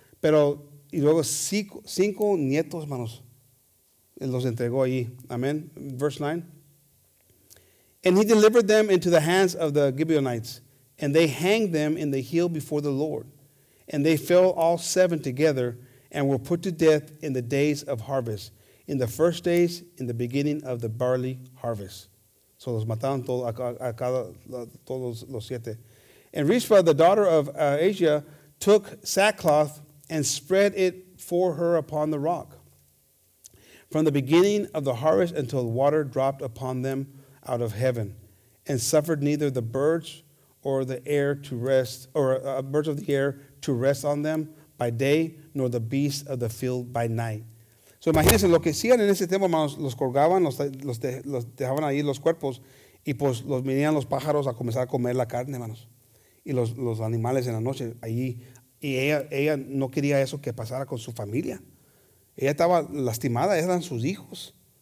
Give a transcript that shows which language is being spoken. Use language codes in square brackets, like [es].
[es] Pero, y luego 5 nietos, manos. Los entregó allí. Amen. [en] Verse 9. And he delivered them into the hands of the Gibeonites, and they hanged them in the hill before the Lord. And they fell all seven together and were put to death in the days of harvest, in the first days, in the beginning of the barley harvest. [es] So los mataron todos los siete. [en] And Rishpa, the daughter of Asia, took sackcloth and spread it for her upon the rock, from the beginning of the harvest until the water dropped upon them out of heaven, and suffered neither the birds or the air to rest, or birds of the air to rest on them by day, nor the beasts of the field by night. [es] So imagínense lo que hacían en ese tiempo, hermanos, los colgaban, los dejaban ahí los cuerpos, y pues los venían los pájaros a comenzar a comer la carne, hermanos, y los animales en la noche allí. Y ella no quería eso que pasara con su familia. Ella estaba lastimada, eran sus hijos.